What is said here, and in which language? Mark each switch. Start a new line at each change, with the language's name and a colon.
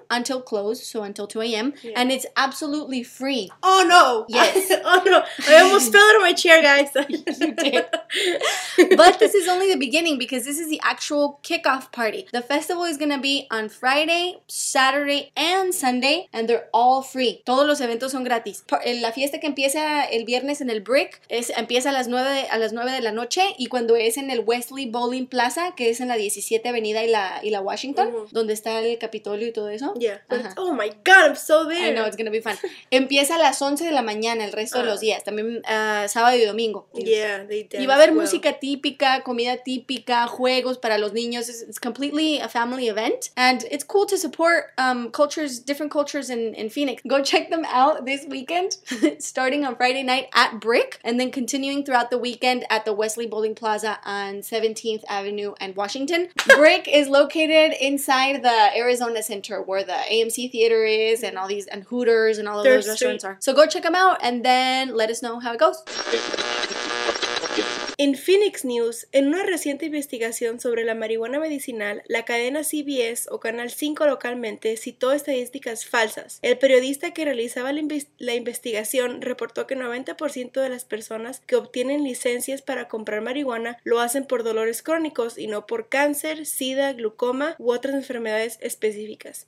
English: until close, so until 2 a.m. Yeah. And it's absolutely free. Oh, no. Yes. Oh, no. I almost fell out of my chair, guys. You did. But this is only the beginning because this is the actual kickoff party. The festival is going to be on Friday, Saturday, and Sunday, and they're all free.
Spanish: Todos los eventos son gratis. La fiesta que empieza el viernes en el Brick empieza a las 9 de la noche, y cuando es en el Wesley Bowling Plaza, que es en la 17 Avenida y la Washington, mm-hmm. donde está el Capitolio y todo eso.
English: Yeah. Oh my God, I'm so there. I know, it's going to be fun.
Spanish: Empieza a las 11 de la mañana el resto de los días, también sábado y domingo.
English: Yeah, they dance.
Spanish: Y va a haber
English: well.
Spanish: Música típica, comida típica, juegos para los niños.
English: It's completely a family event. And it's cool to support cultures, different cultures in Phoenix. Go check them out this weekend, starting on Friday night at Brick, and then continuing throughout the weekend at the Wesley Bowling Plaza on 17th Avenue and Washington. Brick is located inside the Arizona Center, where the AMC Theater is, and all these, and Hooters, and all of those restaurants are. So go check them out, and then let us know how it goes.
Spanish: En Phoenix News, en una reciente investigación sobre la marihuana medicinal, la cadena CBS o Canal 5 localmente citó estadísticas falsas. El periodista que realizaba la investigación reportó que 90% de las personas que obtienen licencias para comprar marihuana lo hacen por dolores crónicos y no por cáncer, sida, glaucoma u otras enfermedades específicas.